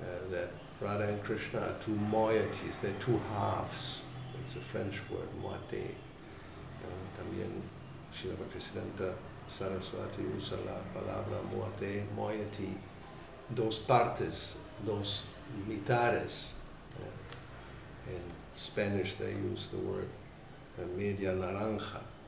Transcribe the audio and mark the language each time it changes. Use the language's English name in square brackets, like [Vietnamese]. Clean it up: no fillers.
[English] That Radha and Krishna are two moieties, they're two halves. It's a French word, moite. [Spanish] También Srila Bhaktisiddhanta Saraswati usa la palabra moite, moiety. Dos partes, dos mitades. [English] In Spanish they use the word [Spanish] media naranja.